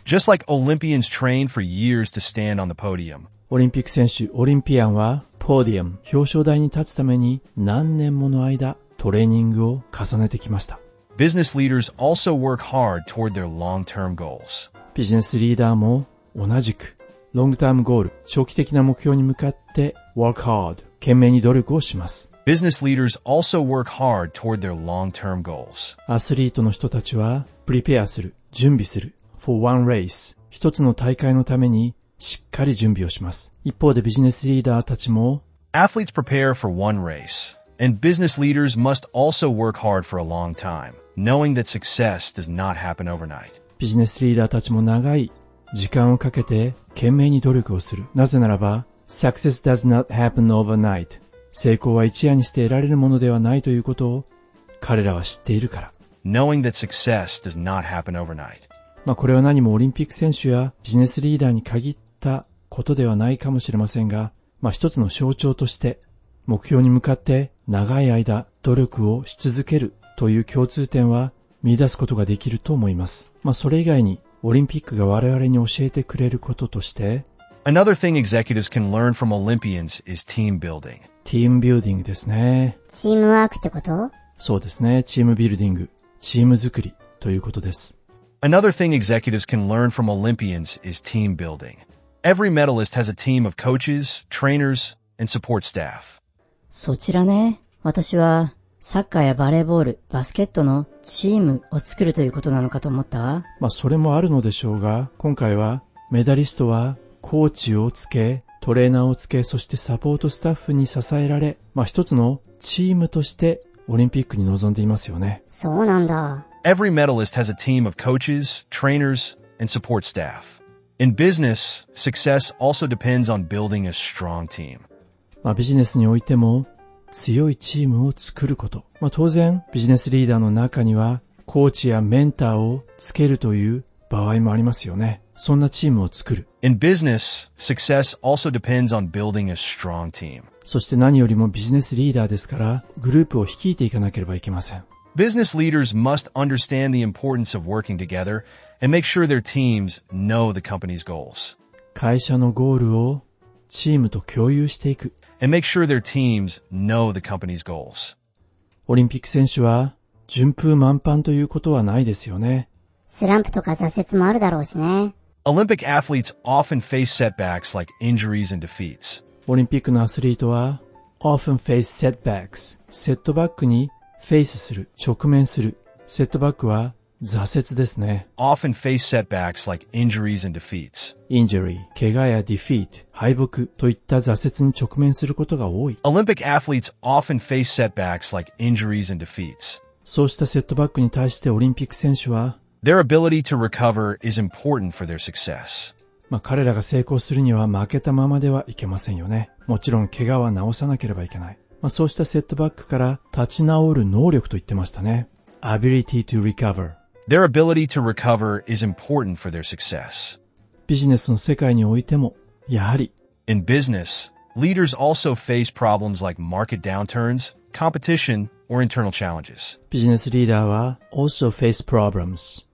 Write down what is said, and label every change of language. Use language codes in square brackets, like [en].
[en] Just like Olympians train for years to stand on the podium. [ja] オリンピック選手、オリンピアンは Podium 表彰台に立つために何年もの間トレーニングを重ねてきました。 [en] Business leaders also work hard toward their long-term goals. [ja] ビジネスリーダーも同じく、 [en] long-term goal、 [ja] 長期的な目標に向かって [en] work hard、 [ja] 懸命に努力をします。 [en] Business leaders also work hard toward their long-term goals. [ja] アスリートの人たちは [en] prepare [ja] する、準備する [en] for one race、 [ja] 一つの大会のためにしっかり準備をします。一方でビジネスリーダーたちも [en] athletes prepare for one race. And business leaders must also work hard for a long time, knowing that success does not happen overnight. [ja] ビジネスリーダーたちも長い時間をかけて懸命に努力をする。なぜならば、 [en] success does not happen overnight. [ja] 成功は一夜にして得られるものではないということを彼らは知っているから。 [en] Knowing that success does not happen overnight. [ja] まあこれは何もオリンピック選手やビジネスリーダーに限ったことではないかもしれませんが、まあ一つの象徴として、目標に向かって長い間努力をし続けるという共通点は見出すことができると思います。まあそれ以外にオリンピックが我々に教えてくれることとして [en] Another thing executives can learn from Olympians is team building. [ja] チームビルディングですね。チームワークってこと? そうですね。チームビルディング。チーム作りということです。 [en] Another thing executives can learn from Olympians is team building. Every medalist has a team of coaches, trainers, and support staff. [ja] そちらね、私はサッカーやバレーボール、バスケットのチームを作るということなのかと思ったわ。まあそれもあるのでしょうが、今回はメダリストはコーチをつけ、トレーナーをつけ、そしてサポートスタッフに支えられ、まあ一つのチームとしてオリンピックに臨んでいますよね。そうなんだ。 [en] Every medalist has a team of coaches, trainers, and support staff. In business, success also depends on building a strong team. [ja] まあ、ビジネスにおいても強いチームを作ること。まあ、当然ビジネスリーダーの中にはコーチやメンターをつけるという場合もありますよね。そんなチームを作る。 [en] In business, success also depends on building a strong team. [ja] そして何よりもビジネスリーダーですからグループを率いていかなければいけません。 [en] Business leaders must understand the importance of working together and make sure their teams know the company's goals. [ja] 会社のゴールをチームと共有していく。 [en] And make sure their teams know the company's goals. [ja] オリンピック選手は順風満帆ということはないですよね。スランプとか挫折もあるだろうしね。 [en] Olympic athletes often face setbacks like injuries and defeats. [ja] オリンピックのアスリートは [en] often face setbacks. [ja] セットバックに face する、直面する。セットバックは挫折ですね。 [en] Often face setbacks like injuries and defeats. [ja] Injury, 怪我や defeat, 敗北といった挫折に直面することが多い。 [en] Olympic athletes often face setbacks like injuries and defeats. [ja] そうしたセットバックに対してオリンピック選手は [en] Their ability to recover is important for their success. [ja] まあ彼らが成功するには負けたままではいけませんよね。もちろん怪我は治さなければいけない。まあそうしたセットバックから立ち直る能力と言ってましたね。 [en] Ability to recover. Their ability to recover is important for their success. [ja] ビジネスの世界においても、やはり。 [en] In business, leaders also face problems like market downturns, competition, or internal challenges. [ja] ビジネスリーダーは [en] also face problems.